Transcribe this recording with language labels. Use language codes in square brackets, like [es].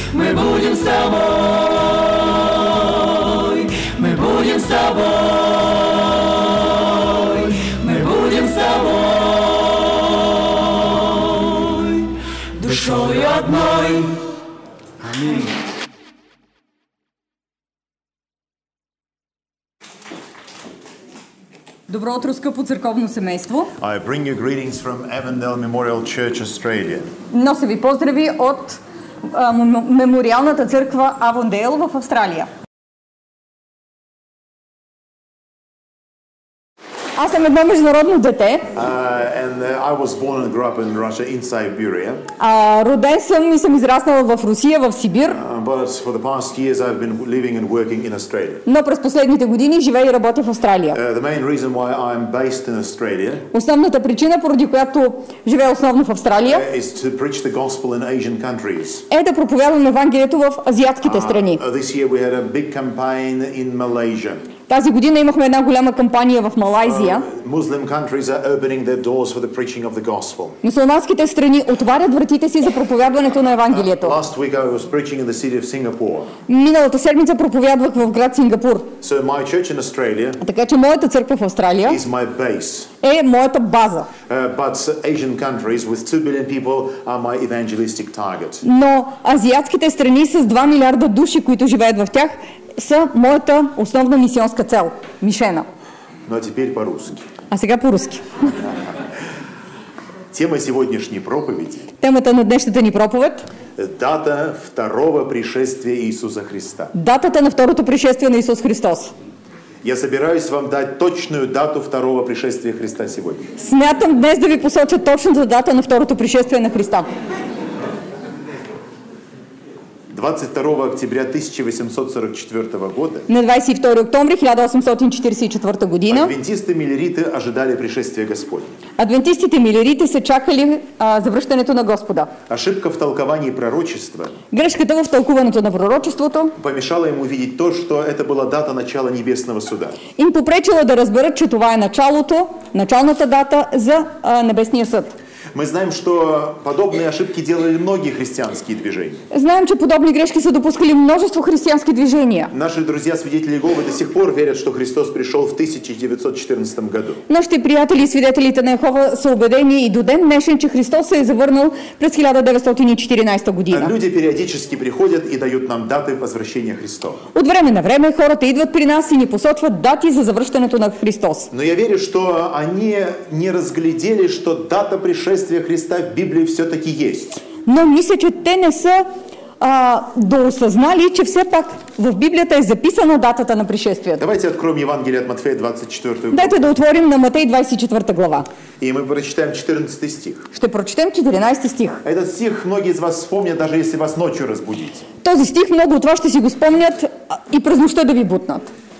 [ru] Мы будем с тобой, мы будем с тобой, мы будем с тобой душой одной. Доброе утро, Скопу Церковному семейству. [en] I bring you greetings from Avondale Memorial Church, Australia. [bg] Нося ви поздрави от Мемориалната църква Avondale в Австралия. Аз съм едно международно дете. [en] I was born and grew up in Russia, in Siberia. [bg] Роден съм и съм израснала в Русия, в Сибир. [en] But for the past years I've been living and working in Australia. [bg] Но през последните години живея и работя в Австралия. [en] The main reason why I'm based in Australia. [bg] Основната причина, поради която живея основно в Австралия, [en] is to preach the gospel in Asian countries. [bg] Е да проповядвам Евангелието в азиатските страни. [en] This year we had a big campaign in Malaysia. [bg] Тази година имахме една голяма кампания в Малайзия. [en] Muslim countries are opening their doors for the preaching of the gospel. [bg] Мюсюлманските страни отварят вратите си за проповядването на Евангелието. [en] Last week I was preaching in the city of Singapore. [bg] Миналата седмица проповядвах в град Сингапур. [en] So my church in Australia. [bg] Така че моята църква в Австралия [en] is my base. [bg] Е моята база. [en] But Asian countries with 2 billion people are my evangelistic target. [bg] Но азиатските страни с 2 милиарда души, които живеят в тях, са моята основна мисионска цел, мишена. [ru] Ну, а теперь по-русски. [bg] А сега по-русски. [ru] Тема сегодняшней проповеди. [bg] Темата на днешната ни проповед. [ru] Дата второго пришествия Иисуса Христа. [bg] Датата на второто пришествие на Иисус Христос. [ru] Я собираюсь вам дать точную дату второго пришествия Христа сегодня. [bg] Смятам днес да ви посоча точната дата на второто пришествие на Христа. [ru] 22 октября 1844 года. [bg] На 22 октября 1844 година. [ru] Адвентисты милериты ожидали пришествия Господня. [bg] Адвентистите милериты се чакали завръщането на Господа. [ru] Ошибка в толковании пророчества. [bg] Грешката в толкуването на пророчеството. [ru] Помешала им увидеть то, что это была дата начала небесного суда. [bg] Им попречила да разберат, че това е началото, началната дата за небесния съд. [ru] Мы знаем, что подобные ошибки делали многие христианские движения. [bg] Знаем, что подобные грешки допускали множество христианских движений. [ru] Наши друзья свидетели Иеговы до сих пор верят, что Христос пришел в 1914 году. [bg] Наши приятели и свидетели Иеговы са убедени и до ден днешен, че Христос се е завърнал през 1914 година. [ru] Люди периодически приходят и дают нам даты возвращения Христова. [bg] От време на време хората идват при нас и ни посочват дати за завръщането на Христос. [ru] Но я верю, что они не разглядели, что дата пришествия Христа в Библии все-таки есть. [bg] но мисля, че те не са доосъзнали, че все пак в Библията е записана датата на пришествието. [ru] Давайте откроем Евангелие от Матфея 24 глава. [bg] Дайте да отворим на Матфея 24 глава. [ru] И мы прочитаем 14 стих. [bg] Ще прочитаем 14 стих. [ru] Этот стих многие из вас вспомнят, даже если вас ночью разбудить. [bg] Този стих много от вас ще си го спомнят и през нощта да ви бутнат.